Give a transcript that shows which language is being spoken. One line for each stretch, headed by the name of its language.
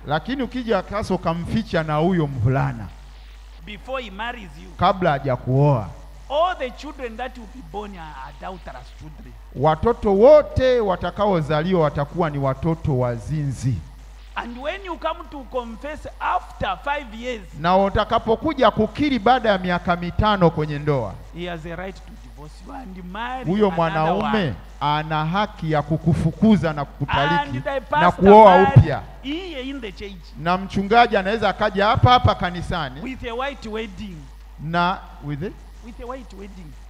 Swahili: Lakini ukija kaso kumficha na huyo mvulana.
English: Before he marries you.
Swahili: Kabla hajakuoa.
English: All the children that will be born are adulterous children.
Swahili: Watoto wote watakaozaliwa watakuwa ni watoto wazinzi.
English: And when you come to confess after 5 years.
Swahili: Na utakapokuja kukiri baada ya miaka mitano kwenye ndoa.
English: He has a right to divorce you and marry.
Swahili: Huyo mwanaume ana haki ya kukufukuza na kukutaliki
English: and the pastor
Swahili: na kuoa upya.
English: He in the church.
Swahili: Na mchungaji anaweza akaja hapa hapa kanisani.
English: With a white wedding. Na with it? With a white wedding.